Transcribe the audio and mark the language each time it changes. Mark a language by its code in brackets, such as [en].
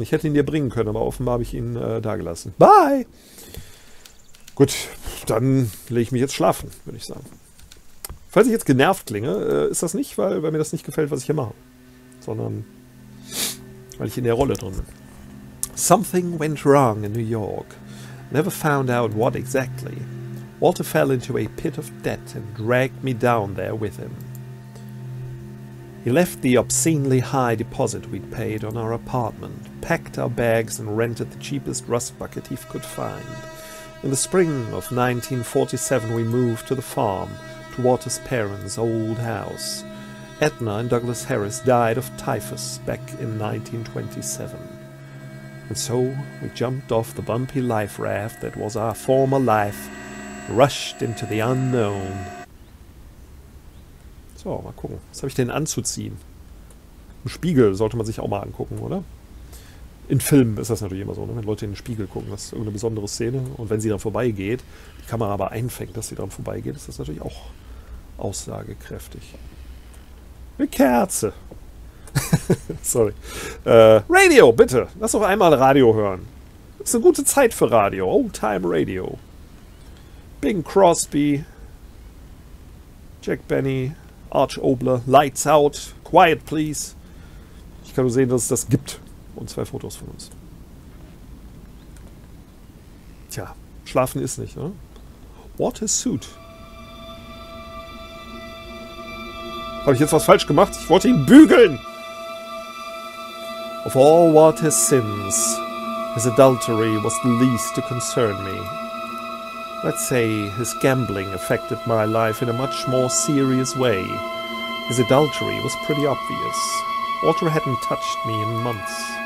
[de] Ich hätte ihn dir bringen können, aber offenbar habe ich ihn dagelassen. Bye! Gut, dann lege ich mich jetzt schlafen, würde ich sagen. Falls ich jetzt genervt klinge, ist das nicht, weil mir das nicht gefällt, was ich hier mache. Sondern, weil ich in der Rolle drin bin. [en] Something went wrong in New York. Never found out what exactly. Walter fell into a pit of debt and dragged me down there with him. He left the obscenely high deposit we'd paid on our apartment, packed our bags and rented the cheapest rust bucket he could find. In the spring of 1947 we moved to the farm, to Walter's parents' old house. Edna and Douglas Harris died of typhus back in 1927. And so we jumped off the bumpy life raft that was our former life, rushed into the unknown. [de] So, mal gucken. Was habe ich denn anzuziehen? Im Spiegel sollte man sich auch mal angucken, oder? In Filmen ist das natürlich immer so, ne? Wenn Leute in den Spiegel gucken, das ist irgendeine besondere Szene. Und wenn sie dann vorbeigeht, die Kamera aber einfängt, dass sie dann vorbeigeht, ist das natürlich auch aussagekräftig. Eine Kerze. Sorry. Radio, bitte. Lass doch einmal Radio hören. Ist eine gute Zeit für Radio. Oldtime Radio. Bing Crosby. Jack Benny. Arch Obler. Lights out. Quiet, please. Ich kann nur sehen, dass es das gibt. Und zwei Fotos von uns. Tja, schlafen ist nicht, oder? [en] What a suit. [de] Habe ich jetzt was falsch gemacht? Ich wollte ihn bügeln. [en] Of all Walter's sins, his adultery was the least to concern me. Let's say his gambling affected my life in a much more serious way. His adultery was pretty obvious. Walter hadn't touched me in months.